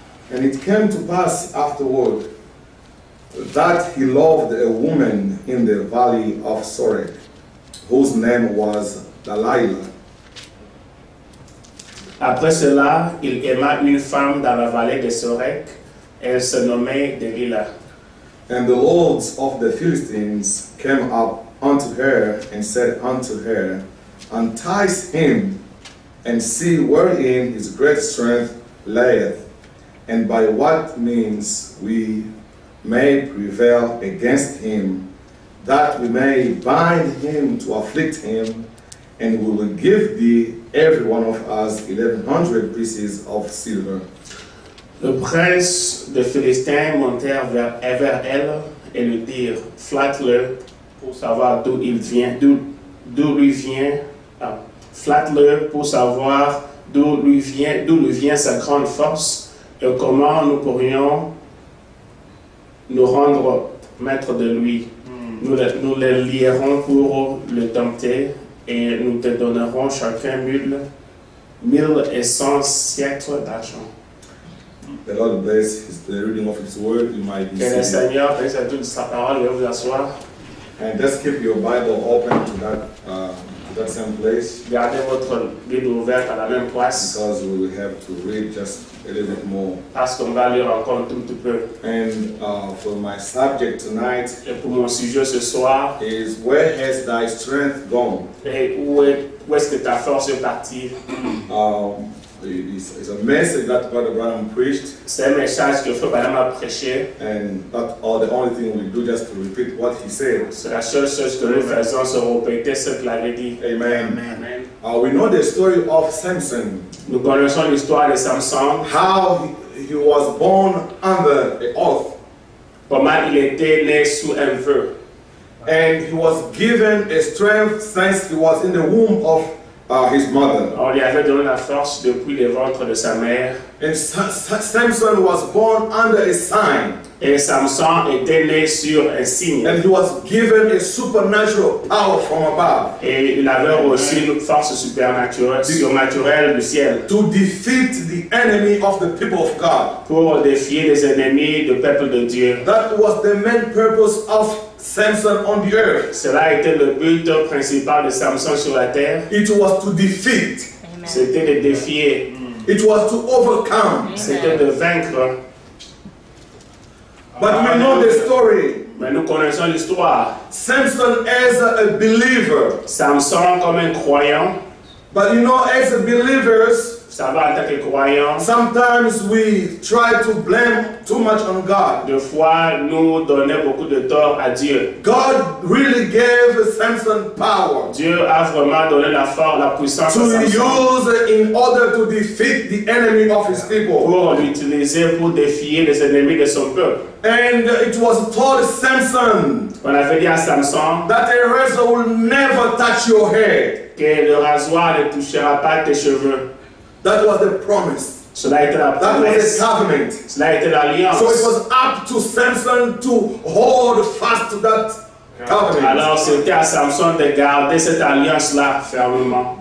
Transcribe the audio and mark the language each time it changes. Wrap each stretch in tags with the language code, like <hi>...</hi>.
<en>And it came to pass afterward that he loved a woman in the valley of Sorek, whose name was Dalila.</en> <fr>Après cela, il aima une femme dans la vallée de Sorek. Elle se nommait Delilah.</fr> <en>And the lords of the Philistines came up unto her and said unto her, Entice him and see wherein his great strength layeth, and by what means we may prevail against him, that we may bind him to afflict him, and we will give thee, every one of us, 1,100 pieces of silver.</en> <fr>Le prince des Philistins montèrent vers elle et lui dirent, Flatte-le pour savoir d'où il vient, d'où lui vient, flatte-le pour savoir d'où lui vient sa grande force. Et comment nous pourrions nous rendre maîtres de lui. Nous les lierons pour le tenter et nous te donnerons chacun 1,100 siècles d'argent.</fr> <en>The Lord bless the reading of his word. You might be seated.</en> <fr>Que le Seigneur bénisse à toute sa parole et vous asseoir.</fr> <en>And just keep your Bible open to that same place.</en> <fr>Gardez votre Bible ouverte à la même place.</fr> <en>Because we have to read just a little bit more.</en> <fr>Parce qu'on va lire encore un tout petit peu.</fr> <en>And for my subject tonight,</en> <fr>et pour mon sujet ce soir,</fr> <en>is where has thy strength gone?</en> <fr>Et où est-ce que ta force est partie?</fr> <en>It's a message that Brother Branham preached.</en> <fr>C'est un message que Frère Branham a prêché.</fr> <en>And not all the only thing we do just to repeat what he said.</en> <fr>C'est la seule chose que nous faisons, c'est répéter ce qu'il avait dit. Amen. Amen.</fr> <en>We know the story of Samson.</en> <fr>Nous connaissons l'histoire de Samson.</fr> <en>How he was born under an oath.</en> <fr>Comment il était né sous un vœu.</fr> <en>And he was given a strength since he was in the womb of his mother.</en> <fr>On lui avait donné la force depuis le ventre de sa mère.</fr> <en>And Samson was born under a sign.</en> <fr>Et Samson était né sur un signe.</fr> <en>And he was given a supernatural power from above.</en> <fr>Et il avait reçu une force surnaturelle du ciel.</fr> <en>To defeat the enemy of the people of God.</en> <fr>Pour défier les ennemis du peuple de Dieu.</fr> <en>That was the main purpose of Samson on the earth.</en> <fr>Cela était le but principal de Samson sur la terre.</fr> <en>It was to defeat.</en> <fr>Amen. C'était de défier. Mm.</fr> <en>It was to overcome.</en> <fr>Amen. C'était de vaincre.</fr> <en>But we know the story.</en> <fr>Mais nous connaissons l'histoire.</fr> <en>Samson as a believer.</en> <fr>Samson comme un croyant.</fr> <en>But you know, as believers,</en> <fr>ça va, en tant que croyant,</fr> <en>sometimes we try to blame too much on God.</en> <fr>De fois, nous donnons beaucoup de tort à Dieu.</fr> <en>God really gave Samson power.</en> <fr>Dieu a vraiment donné la force, la puissance</fr> <en>to use in order to defeat the enemy of his people.</en> <fr>Pour l'utiliser pour défier les ennemis de son peuple.</fr> <en>And it was told Samson,</en> <fr>on avait dit à Samson</fr> <en>that a razor will never touch your head.</en> <fr>Que le rasoir ne touchera pas tes cheveux.</fr> <en>That was the promise. So that was the covenant. So that was the alliance. So it was up to Samson to hold fast to that covenant.</en> <fr>Alors c'était à Samson de garder cette alliance là fermement.</fr>